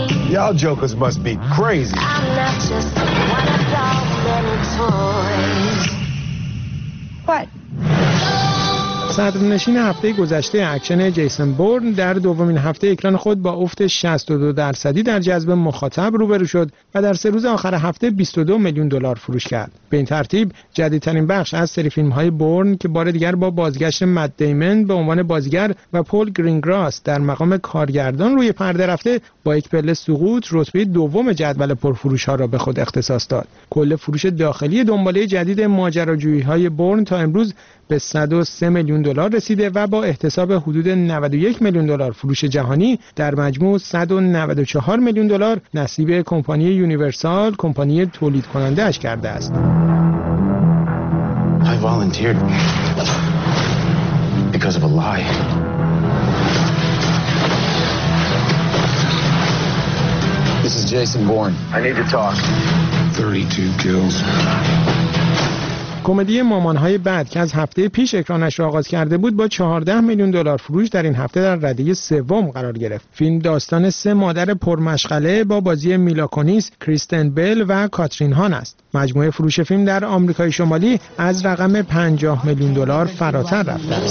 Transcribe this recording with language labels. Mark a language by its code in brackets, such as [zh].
[en] Y'all jokers must be crazy. I'm not just one of those little toys. What? [fa] صدرنشین هفته گذشته اکشن جیسون بورن در دومین هفته اکران خود با افت 62% در جذب مخاطب روبرو شد و در سه روز آخر هفته 22 میلیون دلار فروش کرد. به این ترتیب جدیدترین بخش از سری فیلم‌های بورن که بار دیگر با بازگشت مت دیمن به عنوان بازیگر و پول گرینگراس در مقام کارگردان روی پرده رفته با یک پله سقوط رتبه دوم جدول پرفروش‌ها را به خود اختصاص داد. کل فروش داخلی دنباله جدید ماجراجویی‌های بورن تا امروز به 103 میلیون دلار رسیده و با احتساب حدود 91 میلیون دلار فروش جهانی در مجموع 194 میلیون دلار نصیب کمپانی یونیورسال کمپانی تولید کننده اش کرده است. [en] I volunteered because of a lie. This is Jason Bourne. I need to talk. 32 kills. [fa] کمدی مامان‌های بعد که از هفته پیش اکرانش را آغاز کرده بود با 14 میلیون دلار فروش در این هفته در رده سوم قرار گرفت. فیلم داستان سه مادر پرمشغله با بازی میلا کونیس، کریستن بیل و کاترین هان است. مجموعه فروش فیلم در آمریکای شمالی از رقم 50 میلیون دلار فراتر رفت.